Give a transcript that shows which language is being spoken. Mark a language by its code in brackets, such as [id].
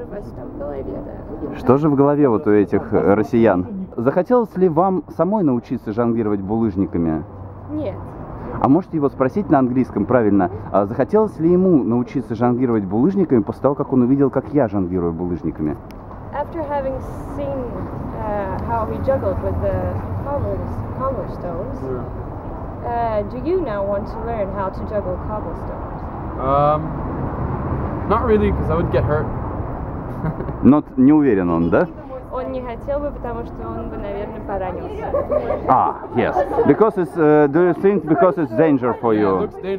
[ru] Что же в голове, да? Что же в голове вот у этих россиян? Захотелось ли вам самой научиться жонглировать булыжниками? Нет. А можете его спросить на английском правильно, а захотелось ли ему научиться жонглировать булыжниками после того, как он увидел, как я жонглирую булыжниками? [en] After having seen how he juggled with the cobblestones, do you now want to learn how to juggle cobblestones? Not really, because I would get hurt. [ru] Not, не уверен он, да? Он не хотел бы, потому что он бы, наверное, поранился. [en] Ah, yes. Because it's, do you think because it's danger for you?